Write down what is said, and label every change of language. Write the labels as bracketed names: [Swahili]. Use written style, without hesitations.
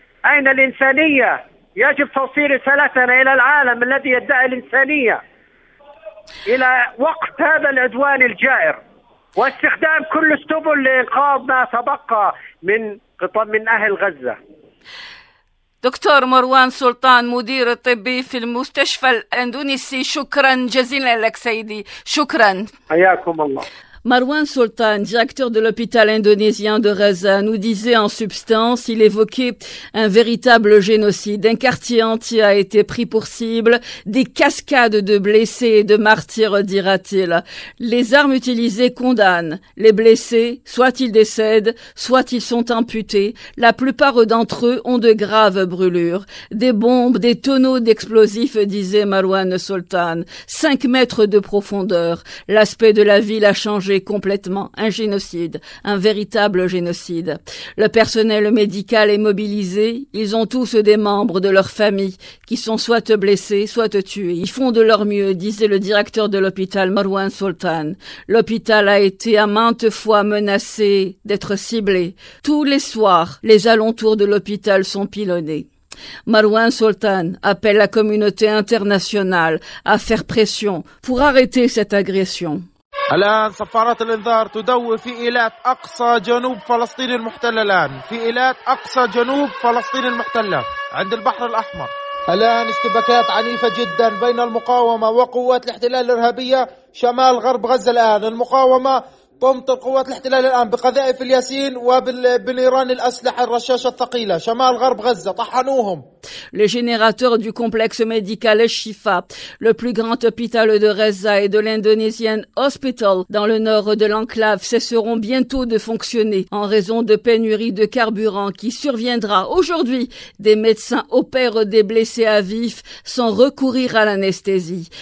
[Arabic] أين الإنسانية؟ يجب توصيل رسالتنا إلى العالم الذي يدعي الإنسانية, إلى وقف هذا العدوان الجائر, واستخدام كل السبل لإنقاذ ما تبقى من أهل غزة. دكتور مروان سلطان, مدير الطبي في المستشفى الأندونيسي, شكرا جزيلا لك سيدي, شكرا. حياكم الله. [French] Marwan Sultan, directeur de l'hôpital indonésien de Raza, nous disait en substance, il évoquait un véritable génocide. Un quartier entier a été pris pour cible, des cascades de blessés et de martyrs, dira-t-il. Les armes utilisées condamnent les blessés, soit ils décèdent, soit ils sont amputés. La plupart d'entre eux ont de graves brûlures. Des bombes, des tonneaux d'explosifs, disait Marwan Sultan. 5 mètres de profondeur. L'aspect de la ville a changé complètement, un génocide, un véritable génocide. Le personnel médical est mobilisé, ils ont tous des membres de leur famille qui sont soit blessés, soit tués. Ils font de leur mieux, disait le directeur de l'hôpital Marwan Sultan. L'hôpital a été à maintes fois menacé d'être ciblé. Tous les soirs, les alentours de l'hôpital sont pilonnés. Marwan Sultan appelle la communauté internationale à faire pression pour arrêter cette agression. [Arabic] الآن صفارات الإنذار تدوي في إيلات أقصى جنوب فلسطين المحتلة, الآن في إيلات أقصى جنوب فلسطين المحتلة عند البحر الأحمر. الآن اشتباكات عنيفة جدا بين المقاومة وقوات الاحتلال الإرهابية شمال غرب غزة. الآن المقاومة قمت القوات الاحتلال الآن بقذائف الياسين وبالنيران الأسلحة الرشاشة الثقيلة شمال غرب غزة طحنوهم. [French] Les générateurs du complexe médical Shifa, le plus grand hôpital de Reza et de l'Indonésien Hospital dans le nord de l'enclave, cesseront bientôt de fonctionner en raison de pénurie de carburant qui surviendra. Aujourd'hui, des médecins opèrent des blessés à vif sans recourir à l'anesthésie.